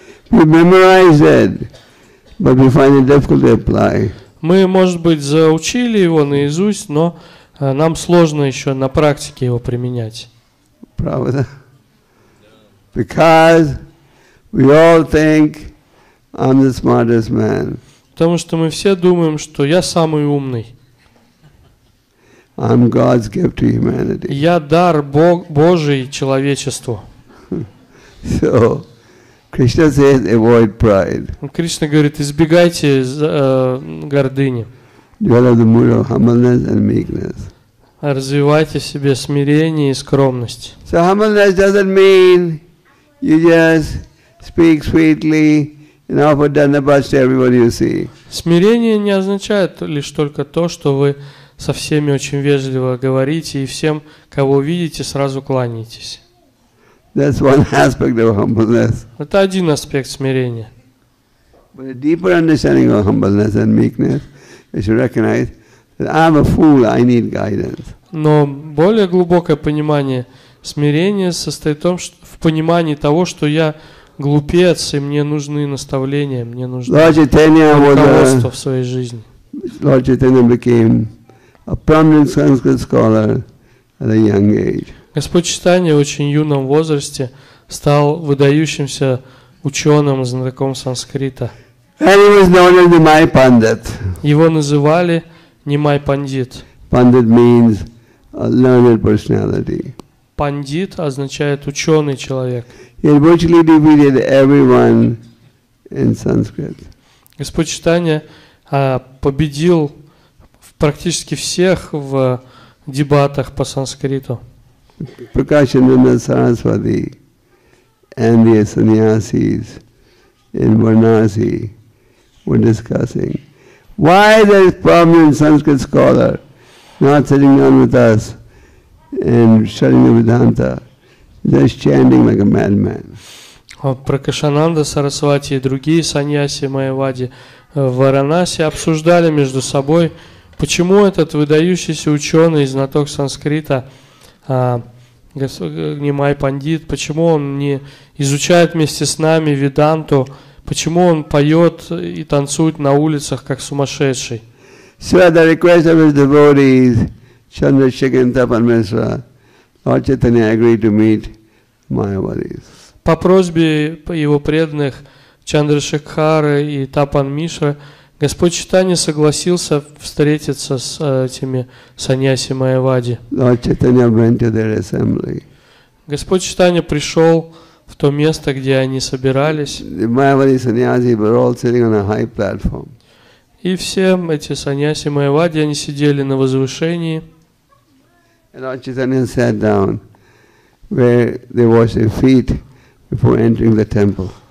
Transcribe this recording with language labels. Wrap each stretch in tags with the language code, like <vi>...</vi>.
<en>We memorize it, but we find it difficult to apply.</en> <ru>Мы, может быть, заучили его наизусть, но нам сложно еще на практике его применять. Правда?</ru> <en>Because we all think I'm the smartest man.</en> <ru>Потому что мы все думаем, что я самый умный.</ru> <en>I'm God's gift to humanity.</en> <ru>Я дар Божий человечеству.</ru> <en>So, Krishna says, avoid pride.</en> <ru>Кришна говорит, избегайте гордыни.</ru> <en>Develop the mood of humbleness and meekness.</en> <ru>Развивайте в себе смирение и скромность.</ru> <en>So humbleness doesn't mean you just speak sweetly and offer dhanabhas to everybody you see.</en> <ru>Смирение не означает лишь только то, что вы со всеми очень вежливо говорите и всем, кого видите, сразу кланяетесь.</ru> <en>That's one aspect of humbleness.</en> <ru>Это один аспект смирения.</ru> <en>But a deeper understanding of humbleness and meekness is to recognize. I'm a fool, I need guidance.</en> <ru>Но более глубокое понимание смирения состоит в понимании того, что я глупец, и мне нужны наставления, мне нужно руководство в своей жизни.</ru> <en>Lord Chaitanya became a prominent Sanskrit scholar at a young age.</en> <ru>Господь Читания в очень юном возрасте стал выдающимся ученым, знатоком санскрита.</ru> <en>And he was known as the Mai Pandit.</en> <ru>Его называли Нимай Пандит.</ru> <en>Pandit means a learned personality.</en> <ru>Пандит означает ученый человек.</ru> <en>He virtually defeated everyone in Sanskrit.</en> <ru>Господь Читания победил практически всех в дебатах по санскриту.</ru> <en>Прокашананда Сарасвати and the sannyasis in Varanasi were discussing. Why is this prominent Sanskrit scholar not sitting down with us and studying the Vedanta, just chanting like a madman?</en> <ru>Пракашананда Сарасвати и другие саньяси Майявади в Варанаси обсуждали между собой, почему этот выдающийся ученый, знаток санскрита, Нимай Пандит, почему он не изучает вместе с нами Веданту? Почему он поет и танцует на улицах, как сумасшедший?</ru> <en>So at the request of his devotees, Chandrasekhar and Tapan Mishra, Lord Chaitanya agreed to meet Mayavadis.</en> <ru>По просьбе его преданных Чандрашекхары и Тапан Мишра, Господь Читания согласился встретиться с этими саньяси Майявади.</ru> <en>Lord Chaitanya went to their assembly.</en> <ru>Господь Читания пришел в то место, где они собирались.</ru> <en>Майявади саньяси were all sitting on a high platform.</en> <ru>И все эти саньяси Майявади, они сидели на возвышении.</ru> <en>And Lord Chaitanya sat down where they washed their feet before entering the temple.</en>